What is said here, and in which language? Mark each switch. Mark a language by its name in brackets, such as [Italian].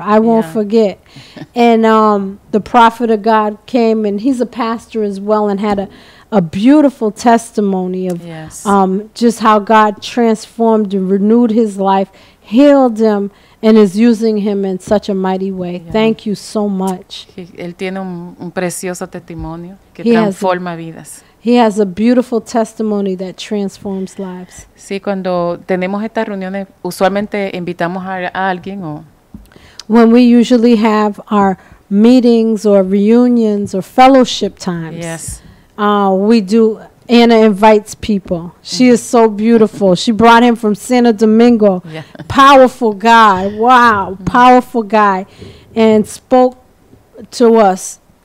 [English] I won't forget. And the prophet of God came, and he's a pastor as well, and had a beautiful testimony of just how God transformed and renewed his life, healed him, and is using him in such a mighty way. Yeah. Thank you so much. [Spanish] Él tiene un precioso testimonio que transforma vidas. [English] He has a beautiful testimony that transforms lives. [Spanish] Sí, cuando tenemos estas reuniones, usualmente invitamos a alguien o... [English] When we usually have our meetings or reunions or fellowship times, yes. We do, Anna invites people. She is so beautiful. She brought him from Santo Domingo. Yeah. Powerful guy. Wow, powerful guy. And spoke to us.